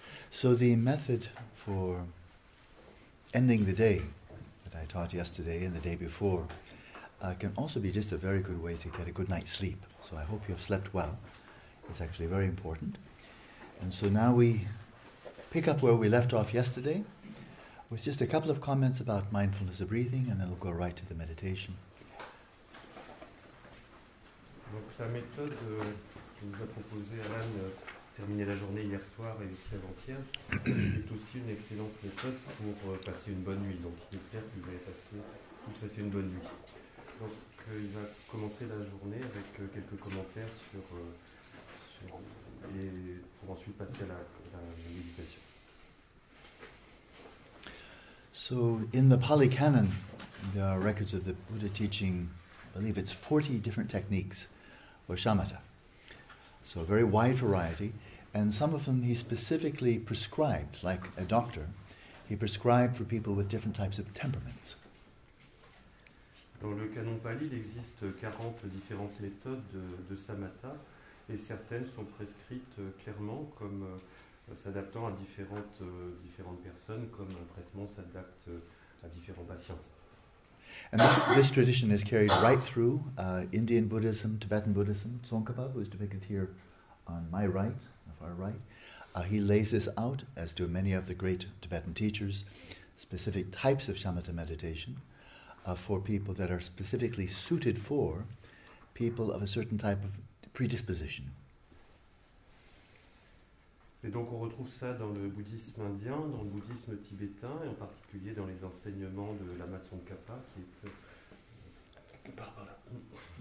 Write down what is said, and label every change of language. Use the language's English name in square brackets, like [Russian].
[English] So the method for ending the day that I taught yesterday and the day before can also be just a very good way to get a good night's sleep. So I hope you have slept well. It's actually very important. And so now we pick up where we left off yesterday with just a couple of comments about mindfulness of breathing, and then we'll go right to the meditation. [French] Donc la méthode que nous a proposée Alan, terminer la journée hier soir et jusqu'à avant-hier, est aussi une excellente méthode pour passer une bonne nuit. Donc il espère que vous allez passer une bonne nuit. Donc il va commencer la journée avec quelques commentaires sur et pour ensuite passer à la méditation. [English] So in the Pali Canon, there are records of the Buddha teaching, I believe it's 40 different techniques. Or shamata. So a very wide variety, and some of them he specifically prescribed, like a doctor, he prescribed for people with different types of temperaments. [French] Dans le canon Pali, il existe 40 différentes méthodes de shamata, et certaines sont prescrites clairement comme s'adaptant à différentes personnes, comme un traitement s'adapte à différents patients. [English] And this tradition is carried right through Indian Buddhism, Tibetan Buddhism. Tsongkhapa, who is depicted here on my right, the far right, he lays this out, as do many of the great Tibetan teachers, specific types of shamatha meditation for people that are specifically suited for people of a certain type of predisposition. [French] Et donc on retrouve ça dans le bouddhisme indien, dans le bouddhisme tibétain, et en particulier dans les enseignements de Lama Tsongkhapa, qui est